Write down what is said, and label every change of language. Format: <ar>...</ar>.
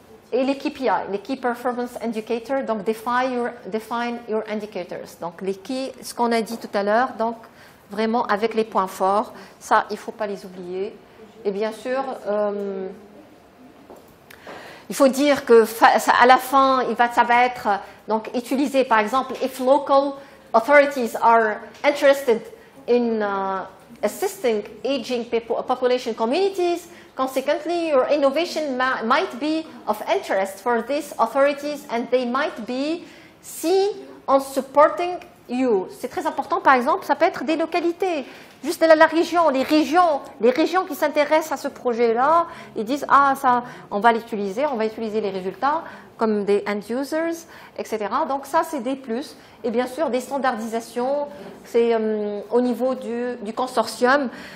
<fr>Et les KPI, les Key Performance Indicators, donc</fr> <en>define your indicators.</en> <fr>Donc, les key, ce qu'on a dit tout à l'heure, donc, vraiment avec les points forts, ça, il ne faut pas les oublier. Et bien sûr... il faut dire que à la fin, ça va être donc utilisé. Par exemple,</fr> <en>if local authorities are interested in assisting aging population communities, consequently, your innovation might be of interest for these authorities, and they might be seen on supporting you.</en> <fr>C'est très important. Par exemple, ça peut être des localités. Juste la région, les régions qui s'intéressent à ce projet-là, ils disent, ah, ça, on va utiliser les résultats comme des end users, etc. Donc, ça, c'est des plus. Et bien sûr, des standardisations, c'est au niveau du consortium.</fr>